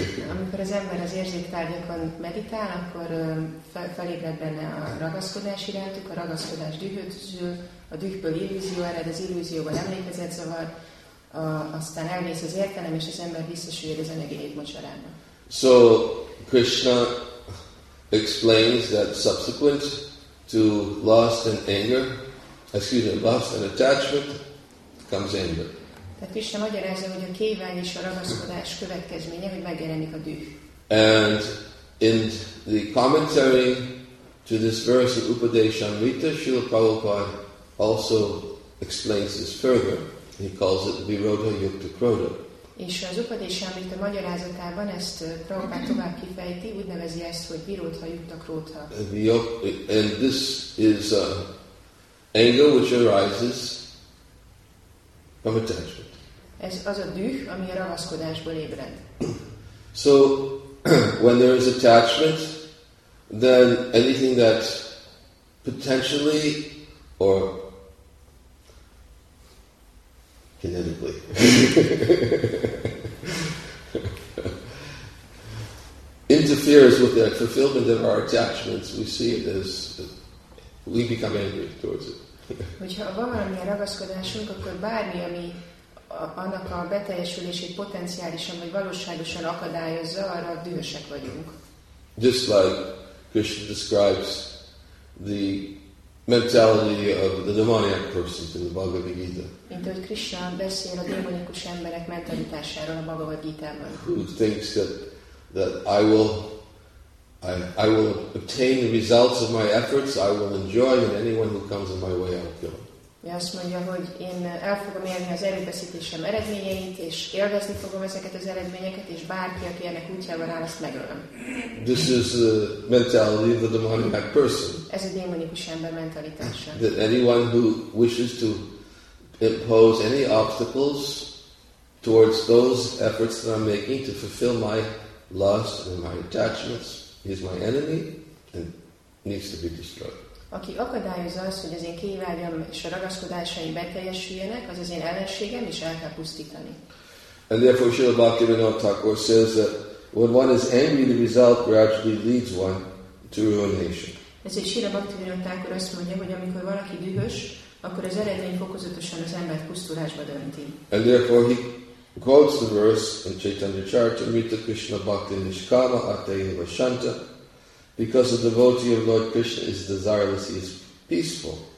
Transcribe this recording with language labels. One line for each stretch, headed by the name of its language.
Hungarian: Amikor az ember az érzéktárgyakon meditál, akkor felébred benne a ragaszkodás irántuk, a ragaszkodás dühöt szül, a dühből illúzió ered, az illúzióban emlékezet zavar, aztán elvész az értelem, és az ember visszasüllyed az anyagi létmocsarába.
English: So, Krishna explains that subsequent to lust and attachment comes anger.
Hungarian: Tehát Krishna magyarázza, hogy a kévágy és a ragaszkodás következménye, hogy megjelenik a düh.
English: And in the commentary to this verse of Upadeshamrita, Srila Prabhupada also explains this further. He calls it Virodha Yukta Krodha.
Hungarian: És az Upadésamrita magyarázatában ezt Prabhupád tovább kifejti, úgy nevezi ezt, hogy Virodha Yukta Krodha.
English: And this is anger which arises from attachment.
Hungarian: Ez az a düh, ami a ragaszkodásból ébred.
English: So when there is attachment, then anything that potentially or kinetically interferes with the fulfillment of our attachments, we see it as we become angry towards it.
Hungarian: Hogyha van valami a ragaszkodásunk, akkor bármi, ami annak a beteljesülését potenciálisan vagy valóságosan akadályozza, arra dühösek vagyunk.
English: Just like Krishna describes the mentality of the demoniac person in the Bhagavad Gita.
Hungarian: Mint ahogy Krishna beszél a démonikus emberek mentalitásáról a Bhagavad Gita-ban.
English: Who thinks that I will obtain the results of my efforts, I will enjoy, and anyone who comes in my way, I'll kill.
Hungarian: Ő azt mondja, hogy én el fogom élni az erőbeszítésem eredményeit, és élvezni fogom ezeket az eredményeket, és bárki, aki ennek útjában áll, azt megölöm.
English: This is the mentality of the demoniac person.
Hungarian: Ez a démonikus ember mentalitása.
English: That anyone who wishes to impose any obstacles towards those efforts that I'm making to fulfill my lust and my attachments, he's my enemy and needs to be destroyed.
Hungarian: Aki akadályozza azt, hogy az én kívánjam és a ragaszkodásaim beteljesüljenek, az az én ellenségem, és el kell pusztítani.
English: And therefore Srila Bhaktivinoda Thakur says that when one is angry, the result gradually leads one to ruination.
Hungarian: Ezért Srila Bhaktivinoda Thakur azt mondja, hogy amikor valaki dühös, akkor az eredmény fokozatosan az embert pusztulásba dönti.
English: And therefore he quotes the verse in Chaitanya Charitamrita, Krishna Bhakti Nishkama Ateya Vashanta, because the devotee of Lord Krishna is desireless, he is peaceful.